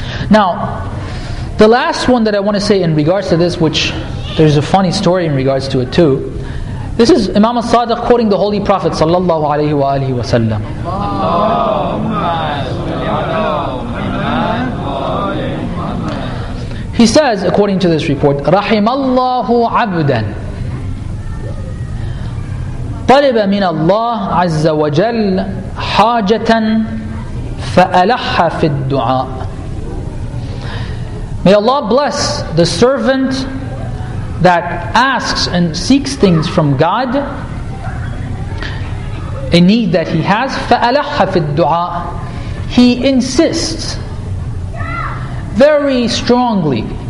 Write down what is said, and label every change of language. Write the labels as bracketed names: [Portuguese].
[English] Now, the last one that I want to say in regards to this, which there's a funny story in regards to it too, this is Imam al-Sadiq quoting the Holy Prophet sallallahu alayhi wa alihi wa sallam. He says, according to this report, [Arabic] رَحِمَ اللَّهُ عَبْدًا طَلِبَ مِنَ اللَّهِ عَزَّ وَجَلْ حَاجَةً فَأَلَحَّ فِي الدُّعَاءِ. [English] May Allah bless the servant that asks and seeks things from God, a need that he has. [Arabic] فَأَلَحَّ فِي الدُّعَاءِ. [English] He insists very strongly.